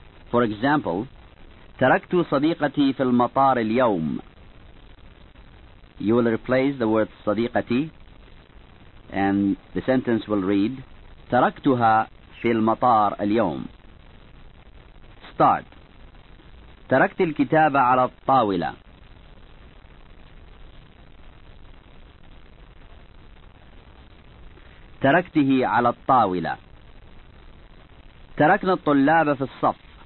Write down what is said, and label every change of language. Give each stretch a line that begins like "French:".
English: For example,
Arabic: تركت صديقتي في المطار اليوم.
English: You will replace the word صديقتي, and the sentence will read,
Arabic: تركتها في المطار اليوم.
English: Start.
Arabic: تركت الكتاب على الطاولة. تركته على الطاولة. تركنا الطلاب في الصف.